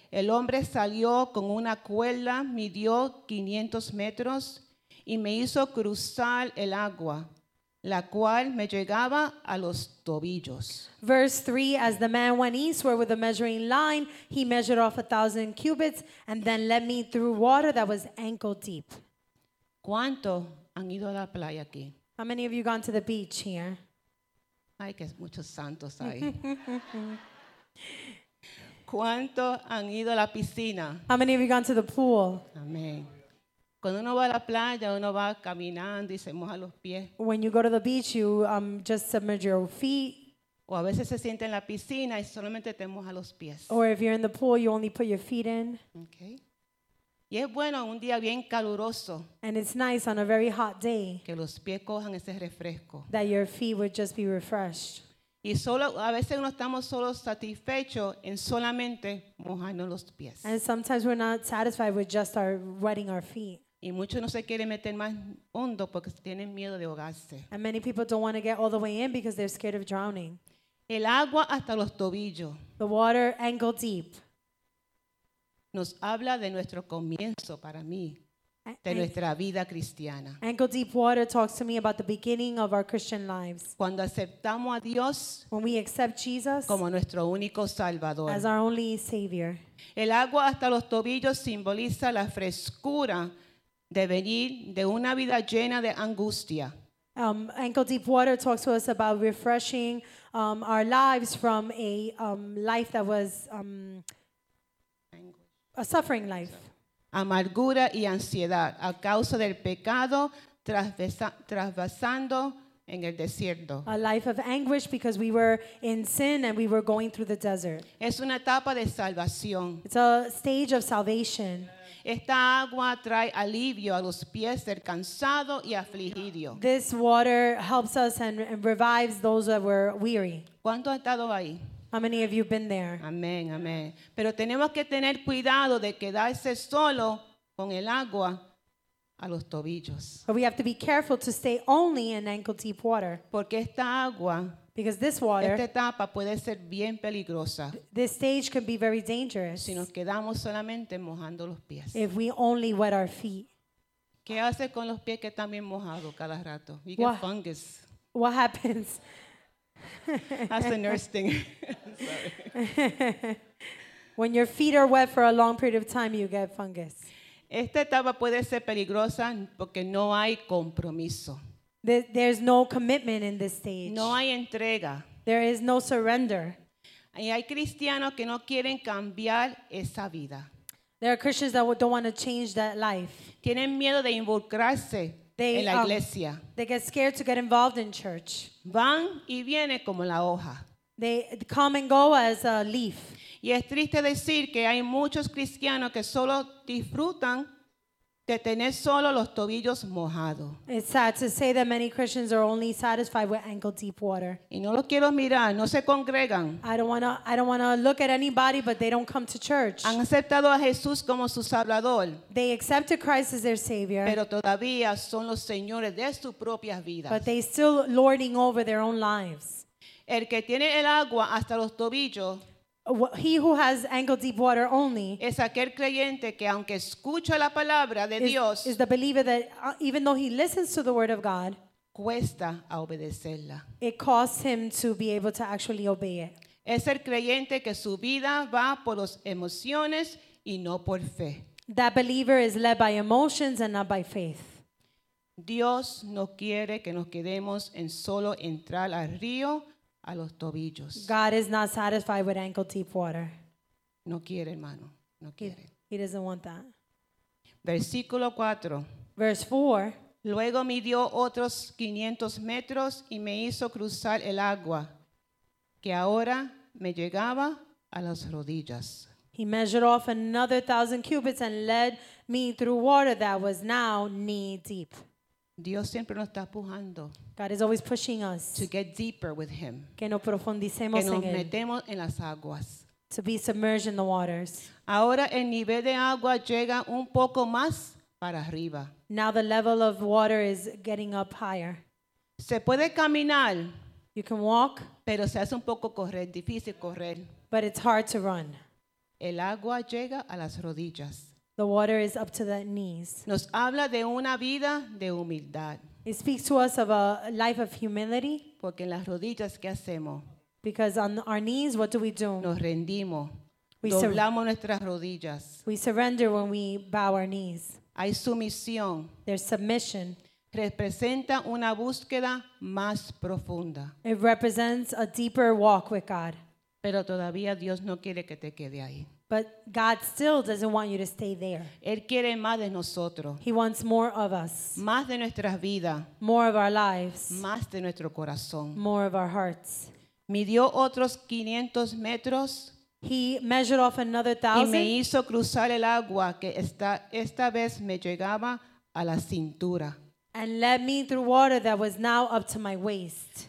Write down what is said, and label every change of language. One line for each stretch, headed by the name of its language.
Spanish: El hombre salió con una cuerda, midió 500 metros y me hizo cruzar el agua, la cual me llegaba a los tobillos.
English: Verse 3, as the man went eastward with a measuring line, he measured off 1,000 cubits and then led me through water that was ankle deep.
Spanish: ¿Cuánto han ido a la playa aquí?
English: How many of you gone to the beach here?
Spanish: Ay, que muchos santos ahí. ¿Cuánto han ido a la piscina?
English: How many of you gone to the pool?
Spanish: Amén. Cuando uno va a la playa, uno va caminando y se moja los pies.
English: When you go to the beach, you just submerge your feet.
Spanish: O a veces se siente en la piscina y solamente te moja los pies.
English: Or if you're in the pool, you only put your feet in.
Spanish: Okay. Y es bueno un día bien caluroso.
English: And it's nice on a very hot day.
Spanish: Que los pies cojan ese refresco.
English: That your feet would just be refreshed.
Spanish: Y solo a veces no estamos solo satisfechos en solamente mojarnos los pies.
English: And sometimes we're not satisfied with just our wetting our feet.
Spanish: Y muchos no se quieren meter más hondo porque tienen miedo de ahogarse.
English: And many people don't want to get all the way in because they're scared of drowning.
Spanish: El agua hasta los tobillos.
English: The water ankle deep.
Spanish: Nos habla de nuestro comienzo para mí, de nuestra vida cristiana.
English: Ankle deep water talks to me about the beginning of our Christian lives.
Spanish: Cuando aceptamos a Dios,
English: when we accept Jesus
Spanish: como nuestro único Salvador,
English: as our only Savior.
Spanish: El agua hasta los tobillos simboliza la frescura de venir de una vida llena de angustia.
English: Ankle deep water talks to us about refreshing our lives from a life that was a suffering life.
Spanish: Amargura y ansiedad a causa del pecado trasvasando en el desierto.
English: A life of anguish because we were in sin and we were going through the desert.
Spanish: Es una etapa de salvación.
English: It's a stage of salvation.
Spanish: Esta agua trae alivio a los pies del cansado y afligido.
English: This water helps us and revives those that were weary.
Spanish: ¿Cuánto ha estado ahí?
English: How many of you have been there?
Spanish: Amén, amén. Pero tenemos que tener cuidado de quedarse solo con el agua a los tobillos.
English: But we have to be careful to stay only in ankle deep water.
Spanish: Porque esta agua,
English: because this water,
Spanish: esta etapa puede ser bien peligrosa.
English: This stage can be very dangerous.
Spanish: Si nos quedamos solamente mojando los pies.
English: If we only wet our feet.
Spanish: ¿Qué hace con los pies que están bien mojados cada rato?
English: You get fungus. What happens? That's the nurse thing. When your feet are wet for a long period of time, you get fungus.
Spanish: Esta etapa puede ser peligrosa porque no hay compromiso.
English: There's no commitment in this stage.
Spanish: No hay entrega.
English: There is no surrender.
Spanish: Y hay cristianos que no quieren cambiar esa vida.
English: There are Christians that don't want to change that life.
Spanish: Tienen miedo de involucrarse.
English: They,
Spanish: en la iglesia.
English: They get scared to get involved in church.
Spanish: Van y viene como la hoja.
English: They come and go as a leaf.
Spanish: Y es triste decir que hay muchos cristianos que solo disfrutan de tener solo los tobillos mojados.
English: It's sad to say that many Christians are only satisfied with ankle deep water.
Spanish: Y no los quiero mirar, no se congregan.
English: I don't want to look at anybody, but they don't come to church.
Spanish: Han aceptado a Jesús como su Salvador.
English: They accepted Christ as their Savior.
Spanish: Pero todavía son los señores de sus propias vidas.
English: But they still lording over their own lives.
Spanish: El que tiene el agua hasta los tobillos,
English: he who has ankle deep water only,
Spanish: es aquel creyente que aunque escucha la palabra de Dios,
English: is the believer that even though he listens to the word of God,
Spanish: cuesta a obedecerla.
English: It costs him to be able to actually obey it.
Spanish: Es el creyente que su vida va por las emociones y no por fe.
English: That believer is led by emotions and not by faith.
Spanish: Dios no quiere que nos quedemos en solo entrar al río a los tobillos.
English: God is not satisfied with ankle deep water.
Spanish: No quiere, hermano. No quiere.
English: He doesn't want that.
Spanish: Versículo 4.
English: Verse 4.
Spanish: Luego midió otros 500 metros y me hizo cruzar el agua, que ahora me llegaba a las rodillas.
English: He measured off another 1,000 cubits and led me through water that was now knee deep.
Spanish: Dios siempre nos está empujando.
English: God is always pushing us to get deeper with Him.
Spanish: Que nos profundicemos en Él. Que nos metemos en las aguas.
English: To be submerged in the waters.
Spanish: Ahora el nivel de agua llega un poco más para arriba.
English: Now the level of water is getting up higher.
Spanish: Se puede caminar.
English: You can walk.
Spanish: Pero se hace un poco correr, difícil correr.
English: But it's hard to run.
Spanish: El agua llega a las rodillas.
English: The water is up to the knees.
Spanish: Nos habla de una vida de humildad.
English: It speaks to us of a life of humility.
Spanish: Porque en las rodillas, ¿qué hacemos?
English: Because on our knees, what do we do?
Spanish: Nos rendimos. Doblamos nuestras rodillas.
English: We surrender when we bow our knees.
Spanish: Hay sumisión.
English: There's submission.
Spanish: Representa una búsqueda más profunda.
English: It represents a deeper walk with God.
Spanish: Pero todavía Dios no quiere que te quede ahí.
English: But God still doesn't want you to stay there.
Spanish: Él quiere más de nosotros.
English: He wants more of us.
Spanish: Más de nuestras vidas.
English: More of our lives.
Spanish: Más de nuestro corazón.
English: More of our hearts.
Spanish: Midió otros 500 metros.
English: He measured off another 1,000.
Spanish: Y me hizo cruzar el agua que esta vez me llegaba a la cintura.
English: And led me through water that was now up to my waist.